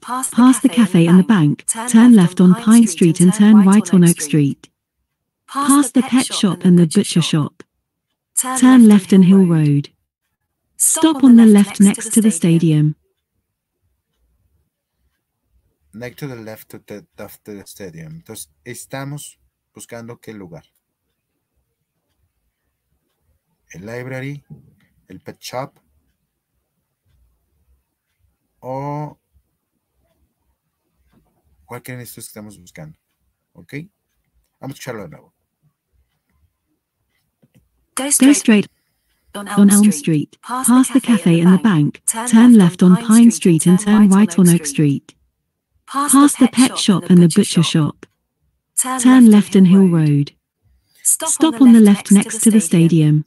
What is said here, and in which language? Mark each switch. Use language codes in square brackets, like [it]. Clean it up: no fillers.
[en] Pass the cafe and the bank. Turn left on Pine Street and turn right on Oak Street. Pass the pet shop and the butcher shop. Turn left on Hill Road. Stop on the left next to the stadium. Next to the left of the stadium. [es] Entonces, estamos buscando qué lugar. El library, el pet shop, o cualquiera de estos que estamos buscando. ¿Ok? Vamos a escucharlo de nuevo. [en] Go straight on Elm Street. Pass the cafe and the bank. Turn left on Pine Street and turn right on Oak Street. Pass the pet shop and the butcher shop. Turn left on Hill Road. Stop on the left next to the stadium.